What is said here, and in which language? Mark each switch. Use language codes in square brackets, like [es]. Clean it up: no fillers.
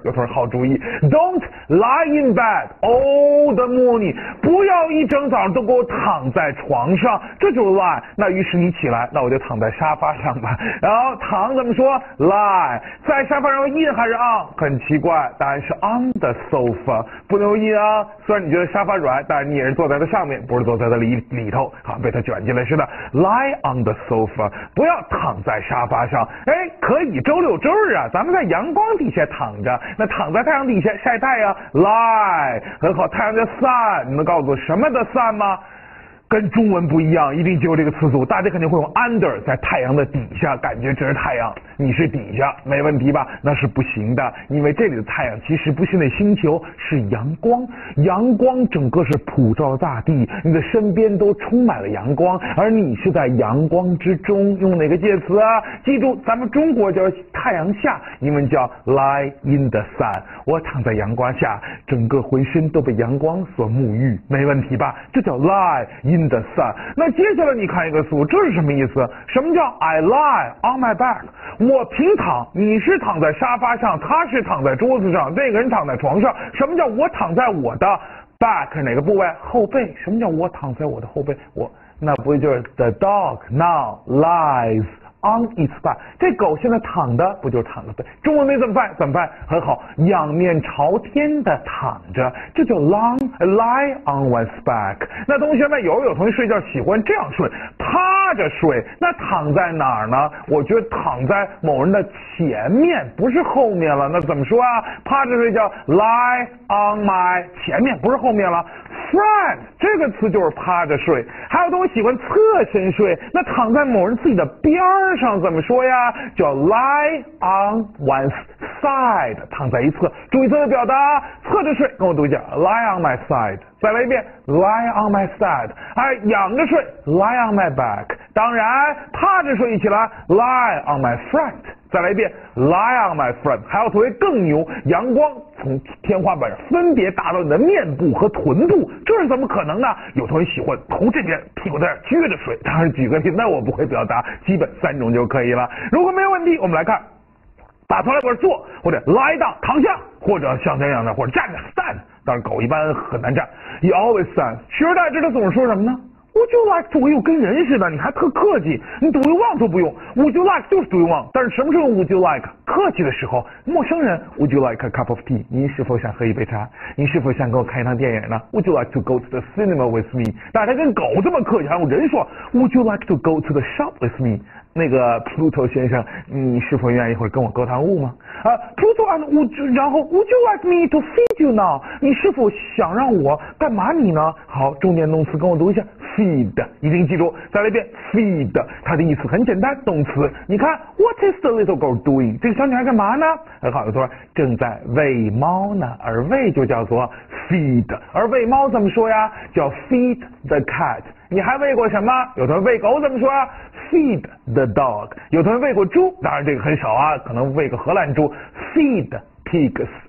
[zh] 有时候好主意 [en] don't lie in bed all the morning， [zh] 不要一整早上都给我躺在床上，这就 lie。那于是你起来，那我就躺在沙发上吧。然后躺怎么说？ lie， 在沙发上用 in 还是 on？ 很奇怪，答案是 on the sofa， 不能用 in 啊。虽然你觉得沙发软，但是你也是坐在它上面，不是坐在它里头，好被它卷进来似的。 [en] lie on the sofa， [zh] 不要躺在沙发上。哎，可以，周六周日啊，咱们在阳光底下躺着，那躺在太阳底下晒太阳 ，lie， 很好，太阳的 sun， 你能告诉我什么的 sun 吗？跟中文不一样，一定就这个词组，大家肯定会用 under， 在太阳的底下，感觉这是太阳，你是底下，没问题吧？那是不行的，因为这里的太阳其实不是那星球，是阳光，阳光整个是普照大地，你的身边都充满了阳光，而你是在阳光之中。用哪个介词啊？记住，咱们中国叫太阳下，英文叫 [en] lie in the sun， [zh] 我躺在阳光下，整个浑身都被阳光所沐浴，没问题吧？ [en] 这叫 lie in the sun。 [zh] 那接下来你看一个词，这是什么意思？ [en] 什么叫 I lie on my back？ [zh] 我平躺，你是躺在沙发上，他是躺在桌子上，那个人躺在床上。什么叫我躺在我的 back 哪个部位？后背。什么叫我躺在我的后背？我那不就是 [en] the dog now liesOn its back， [zh] 这狗现在躺的不就是躺着？中文没怎么办？怎么办？很好，仰面朝天的躺着，这叫 [en] long lie on one's back。 [zh] 那同学们，有同学睡觉喜欢这样睡，趴着睡。那躺在哪儿呢？我觉得躺在某人的前面，不是后面了。那怎么说啊？趴着睡叫 lie on my 前面，不是后面了。 Front 这个词就是趴着睡。还有同学喜欢侧身睡，那躺在某人自己的边上怎么说呀？叫 [en] lie on one's side， [zh] 躺在一侧。注意这个表达，侧着睡，跟我读一下 [en] lie on my side。 [zh] 再来一遍 [en] lie on my side。 [zh] 哎，仰着睡 [en] lie on my back， [zh] 当然趴着睡一起来 [en] lie on my front。 [zh] 再来一遍 [en] lie on my front。 [zh] 还有同学更牛，阳光从天花板分别打到你的面部和臀部，这是怎么可能呢？有同学喜欢头这边屁股在这撅着睡，当然举个例，那我不会表达，基本三种就可以了。如果没有问题，我们来看，打头来往坐，或者 lie down 躺下，或者像这样的，或者站着 stand。但是狗一般很难站， [en] he always stands。 [zh] 取而代之他总是说什么呢？ Would you like to， 又跟人似的，你还特客气，你 do you want 都不用， Would you like 就是 do you want。但是什么时候 would you like， 客气的时候，陌生人 [en] Would you like a cup of tea， [zh] 您是否想喝一杯茶，您是否想跟我看一趟电影呢？ [en] Would you like to go to the cinema with me， [zh] 但是他跟狗这么客气，还有人说 [en] Would you like to go to the shop with me， [zh] 那个 Pluto 先生，你是否愿意一会儿跟我勾谈物吗？ [en] Pluto and would， 然后 would you like me to feed you now， [zh] 你是否想让我干嘛你呢？好，重点动词跟我读一下 feed， 一定记住。再来一遍 feed， 它的意思很简单，动词。你看 [en] what is the little girl doing， [zh] 这个小女孩干嘛呢？很好，有同学正在喂猫呢，而喂就叫做 feed， 而喂猫怎么说呀？叫 [en] feed the cat。 [zh] 你还喂过什么？有同学喂狗怎么说啊？ [en] feed the dog。 [zh] 有同学喂过猪，当然这个很少啊，可能喂个荷兰猪， [en] feed pigs。